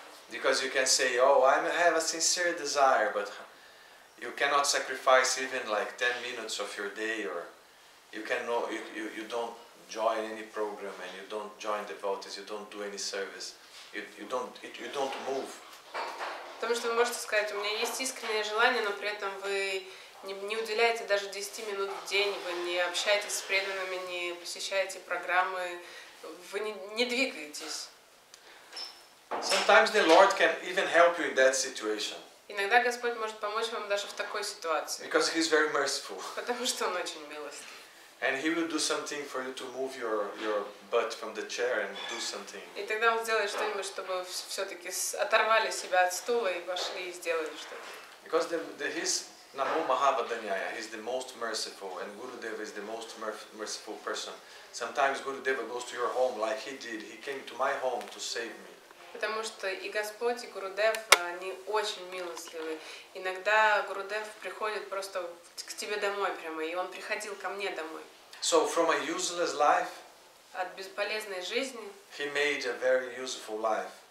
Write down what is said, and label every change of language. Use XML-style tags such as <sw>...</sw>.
<en>Because you can say, oh, I have a sincere desire, but you cannot sacrifice even like 10 minutes of your day, or you cannot, you don't join any program, and you don't join devotees, you don't do any service, you don't move.</en> <ru>Потому что вы можете сказать, у меня есть искреннее желание, но при этом вы не уделяете даже 10 минут в день, вы не общаетесь с преданными, не посещаете программы, вы не двигаетесь.</ru> <en>Sometimes the Lord can even help you in that situation.</en> <ru>Иногда Господь может помочь вам даже в такой ситуации.</ru> <en>Because he's very merciful.</en> <ru>Потому что он очень милостив.</ru> <en>And he will do something for you to move your butt from the chair and do something.</en> <ru>И тогда он сделает что-нибудь, чтобы все-таки оторвали себя от стула и пошли и сделали что-то.</ru> <en>Because the his Namo Mahavadanyaya is the most merciful, and Gurudeva is the most merciful person. Sometimes Gurudeva goes to your home like he did. He came to my home to save me.</en> <ru>Потому что и Господь, и Гурудев, они очень милостливы. Иногда Гурудев приходит просто к тебе домой прямо, и он приходил ко мне домой.</ru> <en>So from a useless life,</en> <ru>от бесполезной жизни,</ru> <en>he made a very useful life.</en>